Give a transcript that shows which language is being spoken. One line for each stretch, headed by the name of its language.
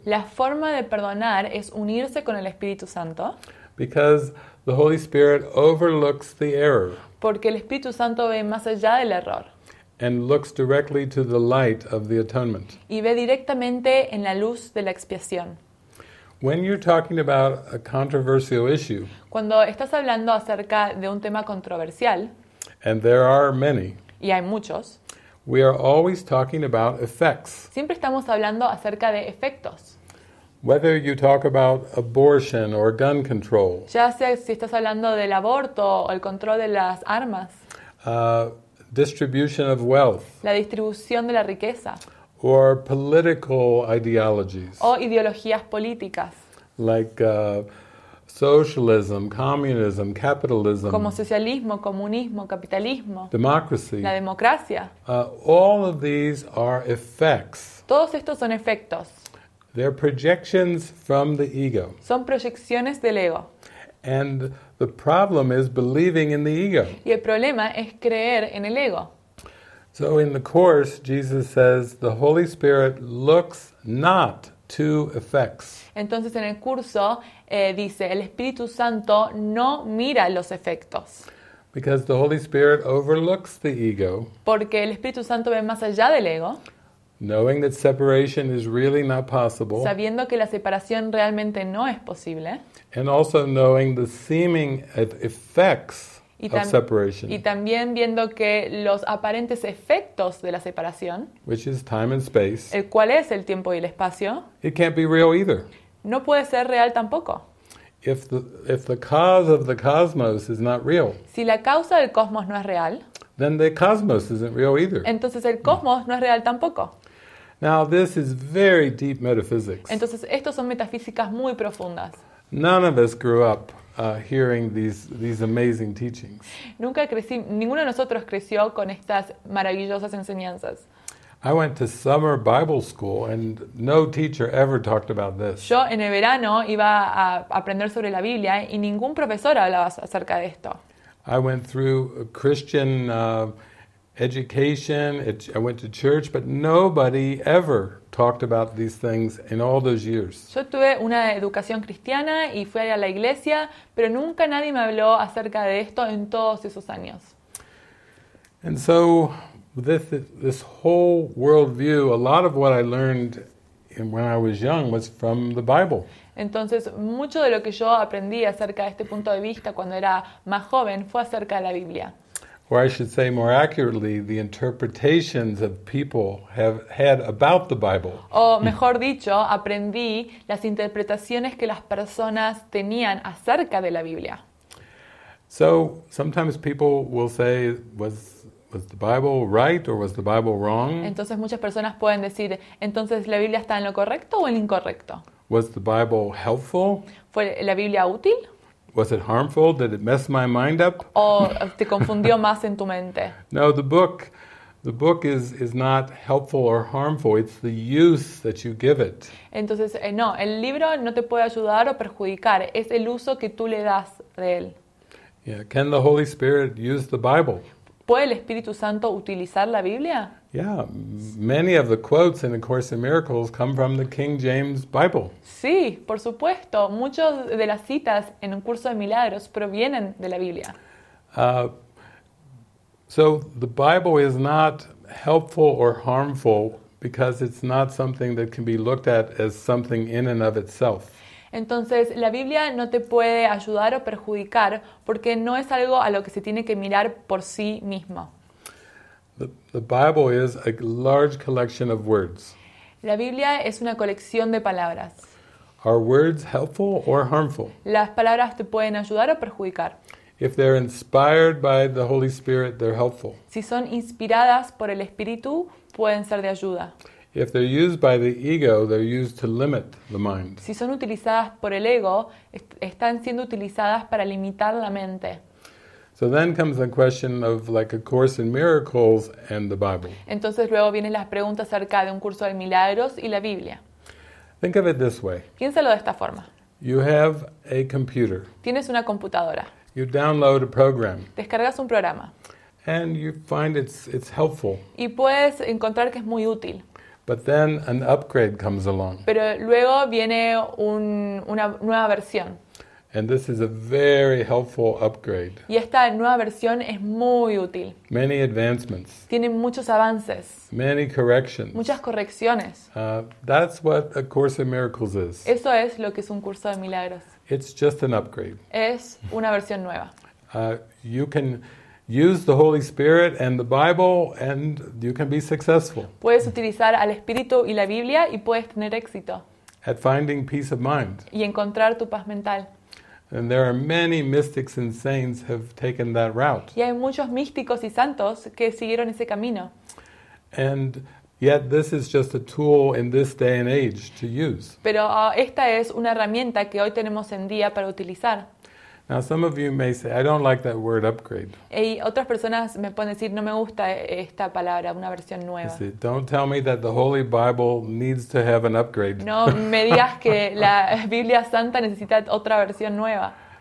Spanish: La forma de perdonar es unirse con el Espíritu Santo.
English: Because the Holy Spirit overlooks the error.
Spanish: Porque el Espíritu Santo ve más allá del error.
English: And looks directly to the light of the atonement.
Spanish: Y ve directamente en la luz de la expiación.
English: When you're talking about a controversial issue.
Spanish: Cuando estás hablando acerca de un tema controversial.
English: And there are many.
Spanish: Y hay muchos.
English: We are always talking about effects.
Spanish: Siempre estamos hablando acerca de efectos.
English: Whether you talk about abortion or gun control.
Spanish: Ya sea si estás hablando del aborto o el control de las armas.
English: Distribution of wealth.
Spanish: La distribución de la riqueza.
English: Or political ideologies.
Spanish: O ideologías políticas.
English: Like socialism, communism, capitalism.
Spanish: Como socialismo, comunismo, capitalismo.
English: Democracy.
Spanish: La democracia.
English: All of these are effects.
Spanish: Todos estos son efectos.
English: They're projections from the ego.
Spanish: Son proyecciones del ego.
English: And the problem is believing in the ego.
Spanish: Y el problema es creer en el ego.
English: So in the course, Jesus says the Holy Spirit looks not to effects.
Spanish: Entonces en el curso dice el Espíritu Santo no mira los efectos.
English: Because the Holy Spirit overlooks the ego.
Spanish: Porque el Espíritu Santo ve más allá del ego.
English: Knowing that separation is really not possible.
Spanish: Sabiendo que la separación realmente no es posible.
English: And also knowing the seeming effects of separation.
Spanish: Y también viendo que los aparentes efectos de la separación,
English: which is time and space,
Spanish: el cual es el tiempo y el espacio,
English: it can't be real either.
Spanish: No puede ser real tampoco.
English: If the cause of the cosmos is not real,
Spanish: si la causa del cosmos no es real,
English: then the cosmos isn't real either.
Spanish: Entonces el cosmos no es real tampoco.
English: Now this is very deep metaphysics.
Spanish: Entonces estos son metafísicas muy profundas.
English: None of us grew up hearing these amazing teachings.
Spanish: Nunca crecí, ninguno de nosotros creció con estas maravillosas enseñanzas.
English: I went to summer Bible school and no teacher ever talked about this.
Spanish: Yo en el verano iba a aprender sobre la Biblia y ningún profesor hablaba acerca de esto.
English: I went through a Christian education. I went to church, but nobody ever talked about these things in all those years.
Spanish: Yo tuve una educación cristiana y fui a la iglesia, pero nunca nadie me habló acerca de esto en todos esos años.
English: And so this whole worldview, a lot of what I learned when I was young was from the Bible.
Spanish: Entonces mucho de lo que yo aprendí acerca de este punto de vista cuando era más joven fue acerca de la Biblia.
English: Or I should say more accurately, the interpretations of people have had about the Bible.
Spanish: O mejor dicho, aprendí las interpretaciones que las personas tenían acerca de la Biblia.
English: So sometimes people will say, was the Bible right or was the Bible wrong?
Spanish: Entonces muchas personas pueden decir, entonces la Biblia está en lo correcto o en lo incorrecto.
English: Was the Bible helpful?
Spanish: ¿Fue la Biblia útil?
English: Was it harmful? Did it mess my mind up?
Spanish: ¿O te confundió más en tu mente?
English: No, the book The book is not helpful or harmful. It's the use that you give it.
Spanish: Entonces, no, el libro no te puede ayudar o perjudicar. Es el uso que tú le das de él.
English: Yeah. Can the Holy Spirit use the Bible?
Spanish: ¿Puede el Espíritu Santo utilizar la Biblia?
English: Yeah, many of the quotes in A Course in Miracles come from the King James Bible.
Spanish: Sí, por supuesto. Muchas de las citas en Un Curso de Milagros provienen de la Biblia.
English: So the Bible is not helpful or harmful because it's not something that can be looked at as something in and of itself.
Spanish: Entonces, la Biblia no te puede ayudar o perjudicar porque no es algo a lo que se tiene que mirar por sí mismo.
English: The Bible is a large collection of words.
Spanish: La Biblia es una colección de palabras.
English: Are words helpful or harmful?
Spanish: ¿Las palabras te pueden ayudar o perjudicar?
English: If they're inspired by the Holy Spirit, they're helpful.
Spanish: Si son inspiradas por el Espíritu, pueden ser de ayuda.
English: If they're used by the ego, they're used to limit the mind.
Spanish: Si son utilizadas por el ego, están siendo utilizadas para limitar la mente.
English: So then comes the question of like A Course in Miracles and the Bible.
Spanish: Entonces luego vienen las preguntas acerca de Un Curso de Milagros y la Biblia.
English: Think of it this way.
Spanish: Piénsalo de esta forma.
English: You have a computer.
Spanish: Tienes una computadora.
English: You download a program.
Spanish: Descargas un programa.
English: And you find it's helpful.
Spanish: Y puedes encontrar que es muy útil.
English: But then an upgrade comes along.
Spanish: Pero luego viene una nueva versión.
English: And this is a very helpful upgrade.
Spanish: Y esta nueva versión es muy útil.
English: Many advancements.
Spanish: Tiene muchos avances.
English: Many corrections.
Spanish: Muchas correcciones.
English: That's what A Course in Miracles is.
Spanish: Eso es lo que es Un Curso de Milagros.
English: It's just an upgrade.
Spanish: Es una versión nueva.
English: You can use the Holy Spirit and the Bible and you can be successful.
Spanish: Puedes utilizar al Espíritu y la Biblia y puedes tener éxito.
English: At finding peace of mind.
Spanish: Y encontrar tu paz mental.
English: And there are many mystics and saints have taken that route.
Spanish: Y hay muchos místicos y santos que siguieron ese camino.
English: And yet this is just a tool in this day and age to use.
Spanish: Pero esta es una herramienta que hoy tenemos en día para utilizar.
English: Now some of you may say, I don't like that word upgrade.
Spanish: Y otras personas me pueden decir, no me gusta esta palabra, una versión nueva.
English: Say, don't tell me that the Holy Bible needs to have an upgrade.
Spanish: No me digas que la Biblia Santa necesita otra versión nueva.